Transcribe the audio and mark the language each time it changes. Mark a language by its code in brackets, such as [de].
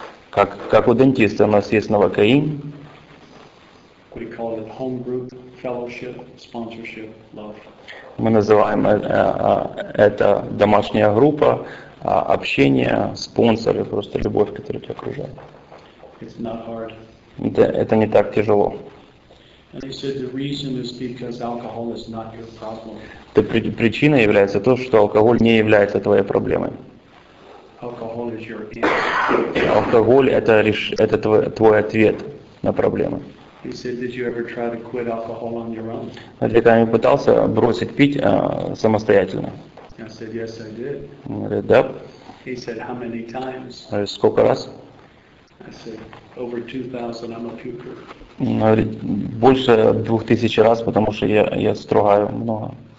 [ru] Как у дантиста, у нас есть новокаин. [en] We call it home group, fellowship, sponsorship, love. [ru] Мы называем это домашняя группа, общение, спонсоры, просто любовь, которая тебя окружает. [en] It's not hard. [ru] Это не так тяжело. [en] And he said the reason is because alcohol is not your problem. [ru] Причина является то, что алкоголь не является твоей проблемой. [en] Alcohol is your answer. [ru] Алкоголь – это твой ответ на проблемы. [en] He said, did you ever try to quit alcohol on your own? [ru] Ты когда-нибудь пытался бросить пить самостоятельно? [en] I said, yes, I did. [ru] Он говорит, да. [en] He said, how many times? [ru] Говорит, сколько раз? [en] I said, over 2,000, I'm a puker. [ru] Он говорит, больше 2000 раз, потому что я стругаю много.